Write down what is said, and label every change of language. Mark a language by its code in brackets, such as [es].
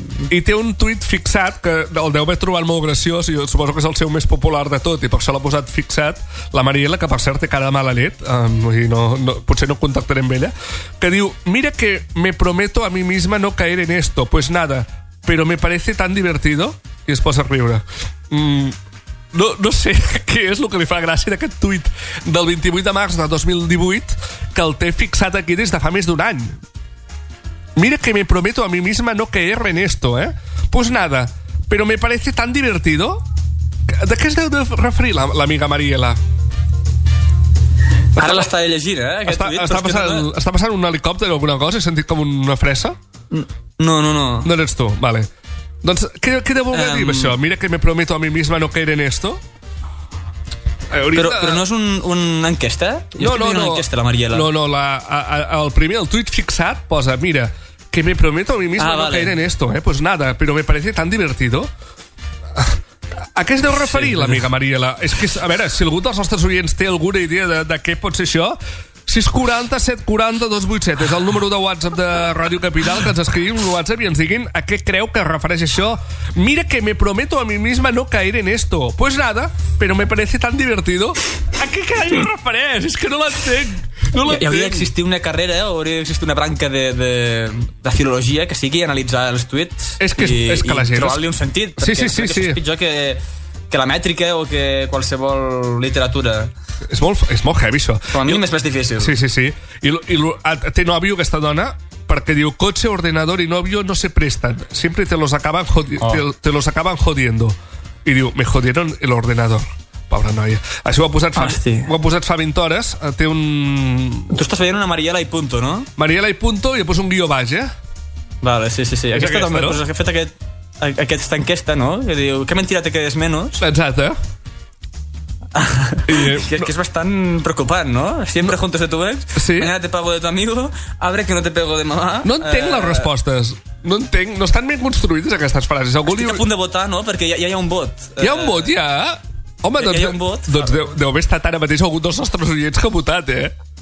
[ca] I té un tuit fixat, que el deu haver trobat molt graciós, i jo suposo que és el seu més popular de tot, i per això l'ha posat fixat, la Mariela, que per cert té cara de mala llet, potser no contactaré amb ella, que diu, [es] mira que me prometo a mi misma no caer en esto, pues nada, pero me parece tan divertido, [ca] i es posa a riure. No sé què és el que li fa gràcia d'aquest tuit del 28 de març de 2018 que el té fixat aquí des de fa més d'un any. [es] Mira que me prometo a mi misma no caer en esto, eh? Pues nada, pero me parece tan divertido. [ca] De què es deu referir l'amiga Mariela? Ara l'està llegint, eh? Està passant un helicòpter o alguna cosa? He sentit com una fressa? No. [es] No eres tu, vale. [ca] Doncs, què de voler dir, això? [es] Mira que me prometo a mi misma no caer en esto. [ca] Però no és una enquesta? No. Una enquesta, la Mariela. No, el tuit fixat posa, [es] mira, que me prometo a mi misma no caer en esto, eh? Pues nada, pero me parece tan divertido. [ca] A què es deu referir, sí, l'amiga Mariela? És que, a veure, si algú dels nostres oients té alguna idea de què pot ser això... 640-740-287 és el número de WhatsApp de Ràdio Capital, que ens escriguin un WhatsApp i ens diguin a què creu que es refereix això. [es] Mira que me prometo a mi misma no caer en esto. Pues nada, pero me parece tan divertido. [ca] A què creu que es refereix? És que no l'entenc. Hi hauria d'existir una carrera, o hauria d'existir una branca de filologia que sigui analitzar els tuits és que trobar-li un sentit. Sí. És pitjor que la mètrica o que qualsevol literatura. És molt heavy, això. Com a mínim és més difícil. Sí. I té nòvio, aquesta dona, perquè diu cotxe, ordenador i nòvio [es] no se presten. Siempre te los acaban jodiendo. [ca] I diu, [es] me jodieron el ordenador. [ca] Pobre noia. Això ho ha posat fa 20 hores. Té un... Tu estàs veient una Mariela i punto, no? Mariela i punto i posa un guió baix, eh? Vale, sí. Aquesta també, no? Però aquesta enquesta, no? Que diu, [es] que mentira te quedes menos. [ca] Exacte. Que és bastant preocupant, no? [es] Siempre juntos de tu ex, [ca] sí. [es] Mañana te pago de tu amigo, abre que no te pego de mamá. [ca] No entenc les respostes. No entenc, no estan ben construïdes aquestes frases. Algú estic a punt de votar, no? Perquè ja hi ha un vot. Hi ha un vot, ja? Home, doncs, hi ha un vot. Doncs deu haver estat ara mateix algun dels nostres oients que ha votat, eh?